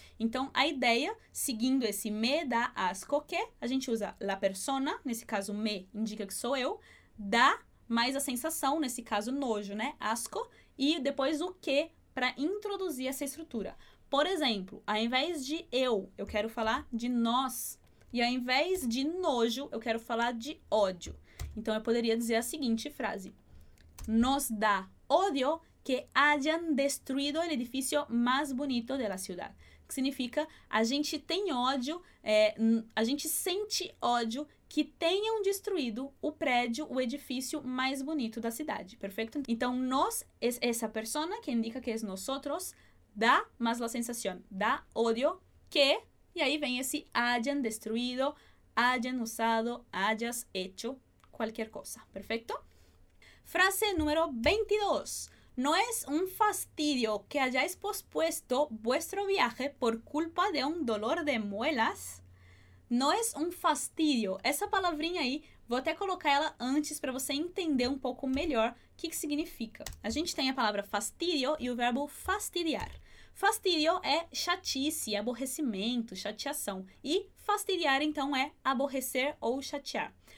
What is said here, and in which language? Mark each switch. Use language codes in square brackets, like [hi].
[pt] Então, a ideia, seguindo esse [es] me da asco que, [pt] a gente usa la persona, nesse caso me indica que sou eu, da mais a sensação, nesse caso nojo, né, asco, e depois o que para introduzir essa estrutura. Por exemplo, ao invés de eu quero falar de nós, e ao invés de nojo, eu quero falar de ódio. Então, eu poderia dizer a seguinte frase. [es] Nos da odio que hayan destruido el edificio más bonito de la ciudad. [pt] Que significa, a gente tem ódio, a gente sente ódio que tenham destruído o prédio, o edifício mais bonito da cidade. Perfeito? Então, nos, essa persona que indica que es nosotros, da, mas la sensación, [es] da odio que, [pt] e aí vem esse [es] hayan destruido, hayan usado, hayas hecho. [pt] Qualquer coisa, perfeito? Frase número 22. [es] No es un fastidio que hayáis pospuesto vuestro viaje por culpa de un dolor de muelas. No es un fastidio. [pt] Essa palavrinha aí, vou até colocar ela antes para você entender um pouco melhor o que significa. A gente tem a palavra fastidio e o verbo fastidiar. Fastidio é chatice, aborrecimento, chateação. E fastidiar, então, é aborrecer ou chatear.